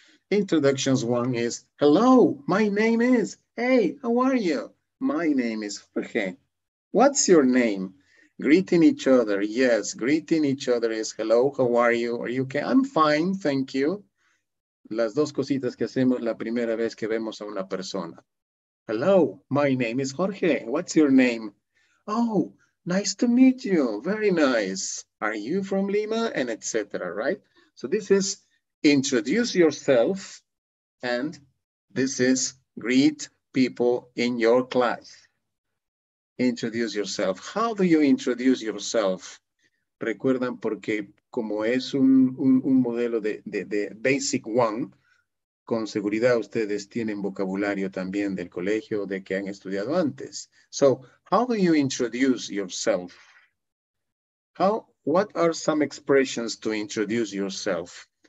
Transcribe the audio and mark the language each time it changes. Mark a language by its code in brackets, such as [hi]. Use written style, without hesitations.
[en] Introductions 1 is Hello, my name is. Hey, how are you? My name is Jorge. What's your name? Greeting each other, yes, greeting each other is hello, how are you? Are you okay? I'm fine, thank you. [es] Las dos cositas que hacemos la primera vez que vemos a una persona. [en] Hello, my name is Jorge. What's your name? Oh, nice to meet you. Very nice. Are you from Lima? And etc., right? So this is introduce yourself, and this is greet people in your class. Introduce yourself. How do you introduce yourself? [es] Recuerdan porque como es un modelo de Basic One, con seguridad ustedes tienen vocabulario también del colegio de que han estudiado antes. [en] So, how do you introduce yourself? What are some expressions to introduce yourself?